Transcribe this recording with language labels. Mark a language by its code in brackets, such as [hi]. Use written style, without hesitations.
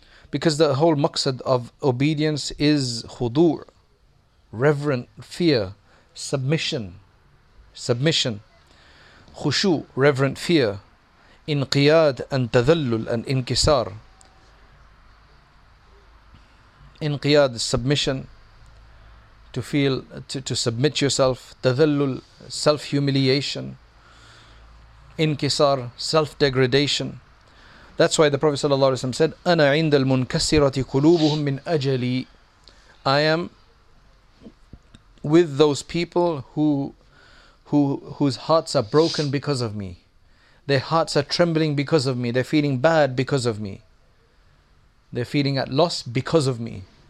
[en] Because the whole maqsad of obedience is khudu', reverent fear, submission, khushu', reverent fear, inqiyad and tadallul and inkisar. Inqiyad, submission, to feel, to submit yourself, tadallul, self-humiliation, inkisar, self-degradation. That's why the Prophet ﷺ said, [ar] أَنَا عِنْدَ الْمُنْكَسِّرَةِ قُلُوبُهُمْ مِنْ أَجَلِي. [en] I am with those people whose hearts are broken because of me. Their hearts are trembling because of me. They're feeling bad because of me. They're feeling at loss because of me.